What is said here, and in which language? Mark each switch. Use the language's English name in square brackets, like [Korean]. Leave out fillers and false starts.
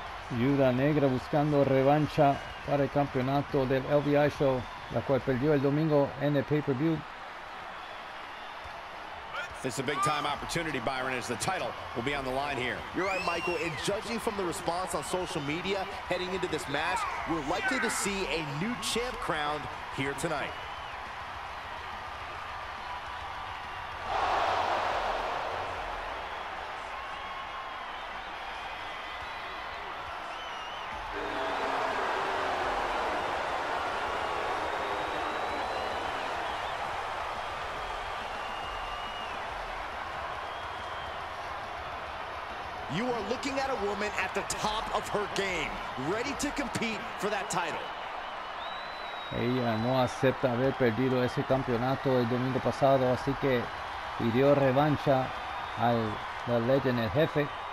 [Spanish] Viuda Negra buscando revancha para el campeonato del LVI Show, la cual perdió el domingo en el pay-per-view. [English] It's a big-time opportunity, Byron, as the title will be on the line here. You're right, Michael, and judging from the response on social media heading into this match, we're likely to see a new champ crowned here tonight. You are looking at a woman at the top of her game, ready to compete for that title. [Spanish] Ella no acepta haber perdido ese campeonato el domingo pasado, así que pidió revancha a la legend, el jefe.